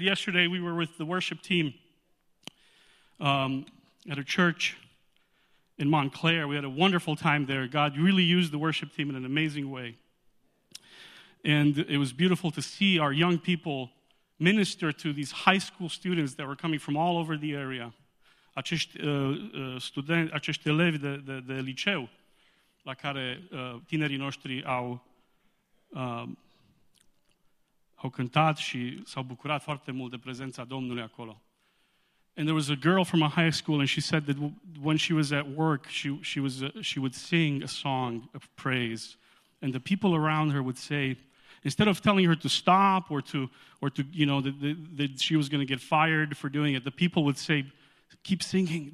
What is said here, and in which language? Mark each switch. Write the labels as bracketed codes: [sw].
[en] Yesterday we were with the worship team at a church in Montclair. We had a wonderful time there. God really used the worship team in an amazing way. And it was beautiful to see our young people minister to these high school students that were coming from all over the area. [ro] Acești elevi de liceu la care tinerii noștri au cântat și s-au bucurat foarte mult de prezența Domnului acolo. [en] And there was a girl from a high school, and she said that when she was at work, she would sing a song of praise, and the people around her would say, instead of telling her to stop or to you know that she was going to get fired for doing it, the people would say, keep singing.